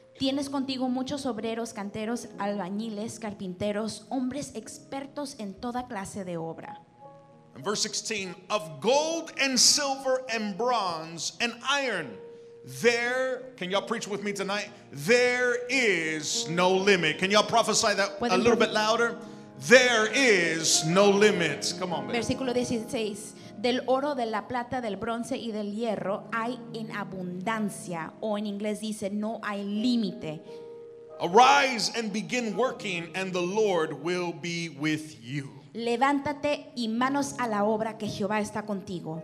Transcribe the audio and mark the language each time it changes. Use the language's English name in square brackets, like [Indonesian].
[Spanish] Tienes contigo muchos obreros, canteros, albañiles, carpinteros, hombres expertos en toda clase de obra. [English] And verse 16, of gold and silver and bronze and iron, there, can y'all preach with me tonight? There is no limit. Can y'all prophesy that a little bit louder? There is no limit. Come on, baby. [Spanish] Versículo 16, del oro, de la plata, del bronce y del hierro hay en abundancia. O en inglés dice, no hay límite. [English] Arise and begin working and the Lord will be with you. [Spanish] Levántate y manos a la obra que Jehová está contigo.